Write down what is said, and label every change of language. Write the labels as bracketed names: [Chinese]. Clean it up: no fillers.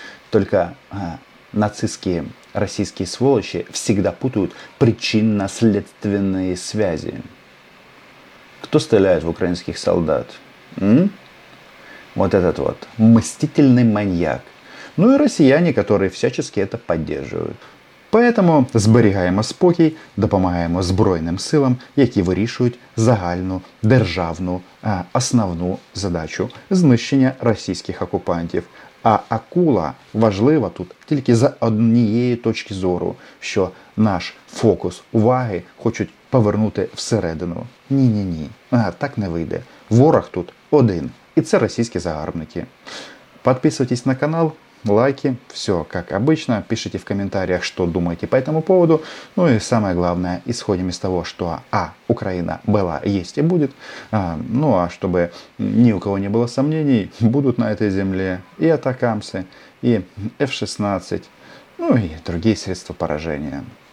[Russian] Только нацистские российские сволочи всегда путают причинно-следственные связи. Кто стреляет в украинских солдат? Вот этот вот мстительный маньяк. Ну и россияне, которые всячески это поддерживают. Поэтому [Ukrainian] зберігаємо спокій, допомагаємо Збройним силам, які вирішують загальну державну основну задачу – знищення російських окупантів. А акула важлива тут тільки за однієї точки зору, що наш фокус уваги хочуть повернути всередину. Ні-ні-ні, так не вийде. Ворог тут один, і це російські загарбники. Підписуйтесь на канал. [Russian] Лайки, все как обычно, пишите в комментариях, что думаете по этому поводу. Ну и самое главное, исходим из того, что Украина была, есть и будет. Чтобы ни у кого не было сомнений, будут на этой земле и атакамсы, и F-16, ну и другие средства поражения.